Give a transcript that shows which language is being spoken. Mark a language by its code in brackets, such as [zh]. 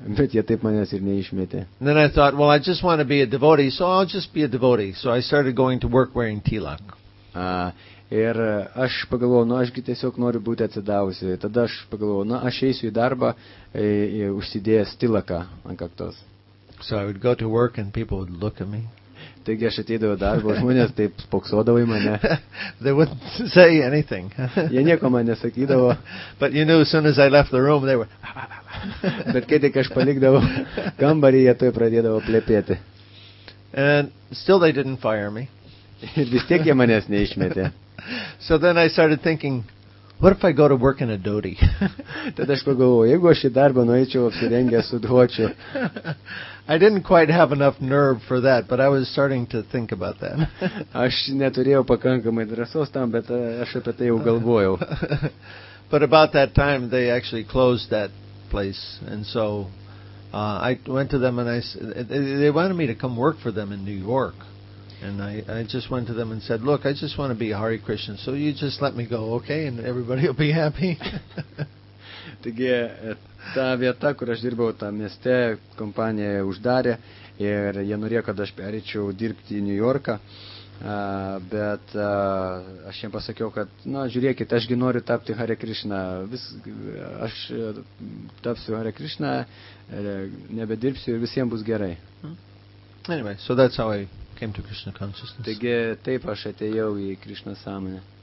[lt] Bet jie taip manęs ir neišmetė. [en] Then I thought, well, I just want to be a devotee, so I'll just be a devotee. So I started going to work wearing tilak. [lt] Ir aš pagalvojau, nu, ašgi tiesiog noriu būti atsidavusi. Tada aš pagalvojau, nu, aš eisiu į darbą užsidėjęs tilaką ant kaktos. [en] So I would go to work and people would look at me. [lt] Taigi aš ateidavau darbą, žmonės taip spoksodavo į mane. [en] They wouldn't say anything. [lt] Jie nieko man nesakydavo. [en] But you knew as soon as I left the room, they were... [lt] Bet kai tik aš palikdavau kambarį, jie tuoj pradėdavo plepėti. [en] And still they didn't fire me. [lt] Ir vis tiek jie manęs neišmetė. [en] So then I started thinking, what if I go to work in a dhoti? [lt] Tada aš pagalvojau, jeigu aš į darbą nueičiau apsirengęs su dhočiu. [en] I didn't quite have enough nerve for that, but I was starting to think about that. [lt] Aš neturėjau pakankamai drąsos tam, bet aš apie tai jau galvojau. [en] But about that time, they actually closed that place, and so I went to them and I said, they wanted me to come work for them in New York. And I just went to them and said, look, I just want to be a Hare Krishna, so you just let me go, okay, and everybody will be happy. [lt] Taigi, ta vieta, kur aš dirbau, tą mieste, kompanija uždarė, ir jie norėjo, kad aš pereičiau dirbti į New Yorką, bet aš jiems pasakiau, kad, na, žiūrėkit, ašgi noriu tapti Hare Krishna, aš tapsiu Hare Krishna, nebedirbsiu ir visiems bus gerai. [en] Anyway, so that's how I came to Krishna consciousness. [lt] Taigi, taip aš atėjau į Krishna sąmonę.